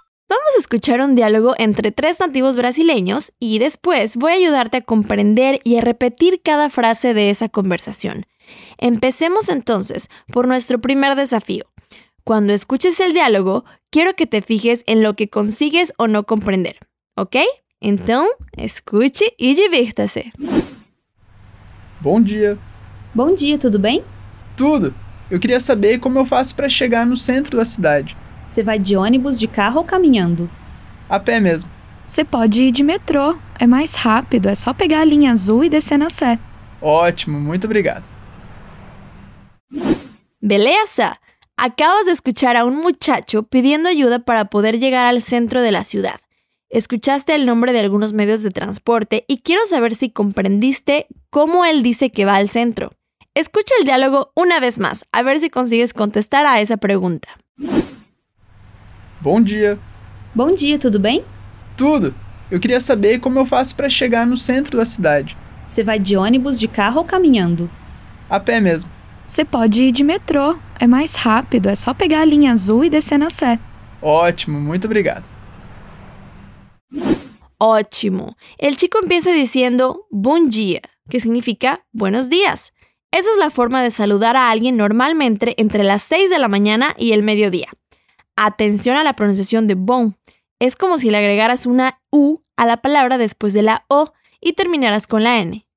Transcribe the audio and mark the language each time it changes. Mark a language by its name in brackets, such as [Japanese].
[Spanish] Vamos a escuchar un diálogo entre tres nativos brasileños y después voy a ayudarte a comprender y a repetir cada frase de esa conversación. Empecemos entonces por nuestro primer desafío. Cuando escuches el diálogo, quiero que te fijes en lo que consigues o no comprender. ¿Ok? Entonces, escuche y diviértase. [Portuguese] Bom dia. Bom dia, tudo bem? Tudo. Eu queria saber como eu faço para chegar no centro da cidade. Você vai de ônibus, de carro ou caminhando? A pé mesmo. Você pode ir de metrô. É mais rápido, é só pegar a linha azul e descer na Sé. Ótimo, muito obrigado. Beleza? [Spanish] Acabas de escuchar a un muchacho pidiendo ayuda para poder llegar al centro de la ciudad. Escuchaste el nombre de algunos medios de transporte y quiero saber si comprendiste cómo él dice que va al centro. Escucha el diálogo una vez más, a ver si consigues contestar a esa pregunta. [Portuguese] Bom dia. Bom dia, tudo bem? Tudo. Eu queria saber como eu faço para chegar no centro da cidade. Você vai de ônibus, de carro ou caminhando? A pé mesmo. Você pode ir de metrô. É mais rápido, é só pegar a linha azul e descer na Sé. Ótimo, muito obrigado. Ótimo. [Spanish] El chico empieza diciendo bom dia, que significa buenos días. Esa es la forma de saludar a alguien normalmente entre las 6 de la mañana y el mediodía. Atención a la pronunciación de bom. Es como si le agregaras una U a la palabra después de la O y terminaras con la N.